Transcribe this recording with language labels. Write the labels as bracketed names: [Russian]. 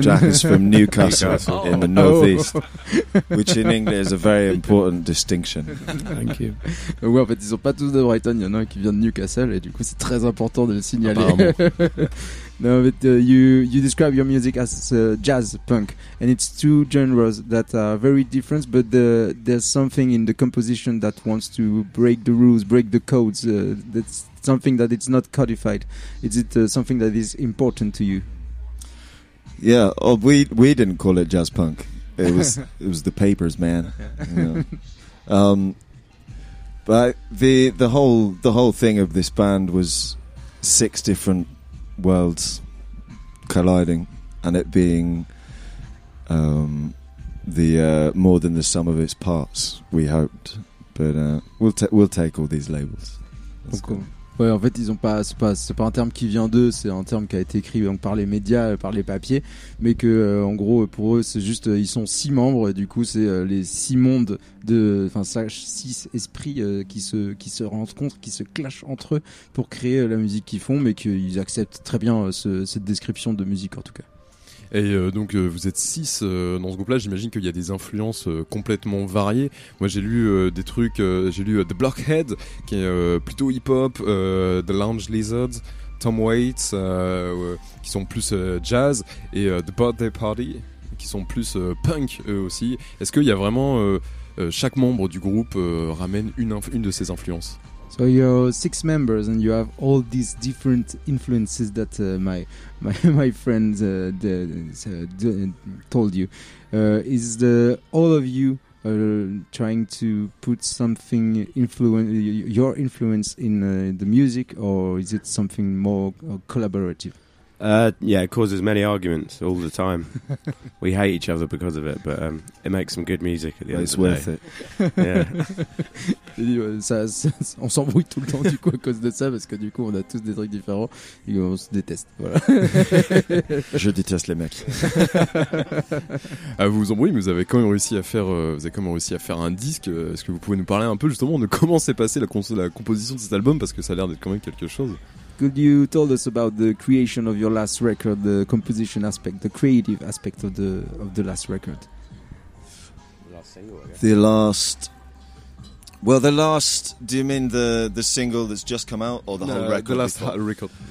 [English] Jack is from Newcastle in the northeast, which in England is a very important distinction. Thank you. [French] Ouais, en fait, ils sont pas tous de Brighton. Il y en a un qui vient de Newcastle, et du coup, c'est très important de le signaler. [English] No, but you describe your music as jazz punk, and it's two genres that are very different, but there's something in the composition that wants to break the rules, break the codes. That's something that it's not codified. Is it something that is important to you? Yeah, oh, we didn't call it jazz punk. It was it was the papers, man. Yeah. But the whole thing of this band was six different worlds colliding and it being more than the sum of its parts, we hoped, but we'll take all these labels. Cool. [French] Ouais, en fait ils ont pas, c'est pas un terme qui vient d'eux, c'est un terme qui a été écrit donc par les médias, par les papiers, mais que en gros pour eux c'est juste, ils sont six membres et du coup c'est les six mondes, de enfin six esprits qui se rencontrent, qui se clashent entre eux pour créer la musique qu'ils font, mais qu'ils acceptent très bien cette description de musique en tout cas. Et donc vous êtes six dans ce groupe-là, j'imagine qu'il y a des influences complètement variées. Moi j'ai lu des trucs, j'ai lu The Blockhead qui est plutôt hip-hop, The Lounge Lizards, Tom Waits qui sont plus jazz, et The Birthday Party qui sont plus punk eux aussi. Est-ce qu'il y a vraiment chaque membre du groupe ramène une de ces influences? [English] So you're six members and you have all these different influences that my friend told you. Is the all of you trying to put something your influence in the music, or is it something more collaborative? Yeah, it causes many arguments all the time. We hate each other because of it, but it makes some good music at the end of the day. It's worth it. Yeah. [French] On s'embrouille tout le temps du coup à cause de ça, parce que du coup on a tous des trucs différents et on se déteste. Voilà. Je déteste les mecs. Vous vous embrouillez, mais vous avez quand même réussi à faire un disque. Est-ce que vous pouvez nous parler un peu justement de comment s'est passée la composition de cet album, parce que ça a l'air d'être quand même quelque chose. [English] Could you tell us about the creation of your last record, the composition aspect, the creative aspect of the last record? The last, do you mean the single that's just come out, or whole record? The last record.